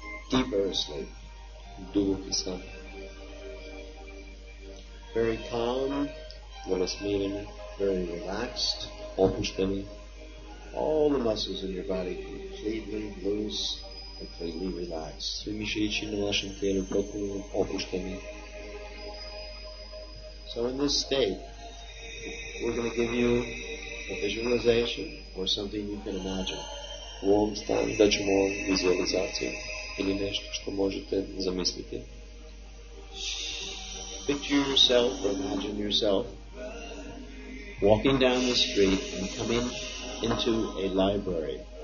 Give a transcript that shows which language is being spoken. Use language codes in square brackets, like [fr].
[en] Deeper asleep. [hr] Duboki san. [en] Very calm. [hr] Vrlo smireni. [en] Very relaxed. [hr] Opušteni. [en] All the muscles in your body completely loose, completely relaxed. [hr] Svi mišići na vašem tijelu potpuno opušteni. [en] So in this state, we're going to give you a visualization or something you can imagine. [hr] В ovom stanju da ćemo vizualizaciju ili nešto što možete zamisliti. [en] Picture yourself or imagine yourself walking down the street and coming into a library.